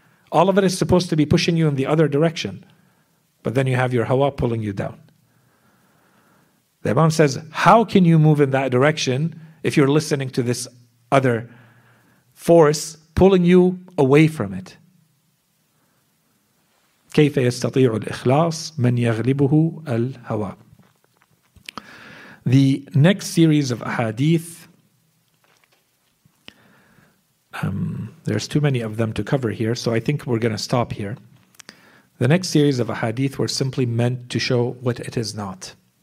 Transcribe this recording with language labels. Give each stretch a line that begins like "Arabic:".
English: All of it is supposed to be pushing you in the other direction. But then you have your hawa pulling you down. The Imam says, how can you move in that direction if you're listening to this other force pulling you away from it?
Arabic: كيف يستطيع الإخلاص من يغلبه الهوى.
English: The next series of ahadith, there's too many of them to cover here, so I think we're going to stop here. The next series of ahadith were simply meant to show what it is not.